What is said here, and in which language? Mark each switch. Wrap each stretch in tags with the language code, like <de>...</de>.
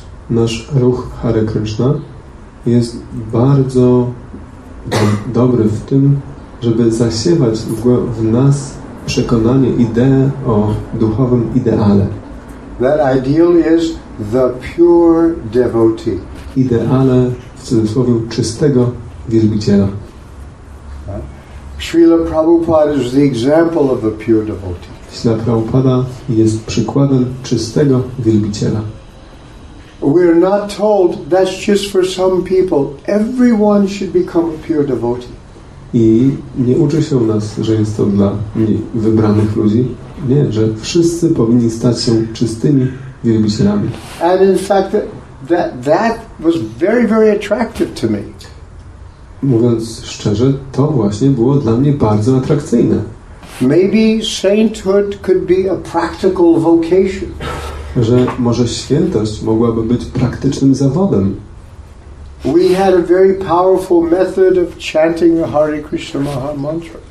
<pl>Nasz ruch Hare Krishna jest bardzo dobry w tym, żeby zasiewać w nas przekonanie, ideę o duchowym ideale.</pl> <en>That ideal is the pure devotee.</en> <pl>Ideale, w cudzysłowie, czystego wielbiciela.</pl> <en>Srila Prabhupada is the example of a pure devotee.</en> <pl>Srila Prabhupada jest przykładem czystego wielbiciela.</pl> <en>We are not told that's just for some people. Everyone should become a pure devotee.</en> <pl>I nie uczy się nas, że jest to dla wybranych ludzi. Nie, że wszyscy powinni stać się czystymi wielbicielami.</pl> <en>And in fact, that was very, very attractive to me.</en> <pl>Mówiąc szczerze, to właśnie było dla mnie bardzo atrakcyjne.</pl> <en>Maybe sainthood could be a practical vocation.</en> <pl>Że może świętość mogłaby być praktycznym zawodem.</pl> <en>We had a very powerful method of chanting the Hare Krishna Maha Mantra.</en>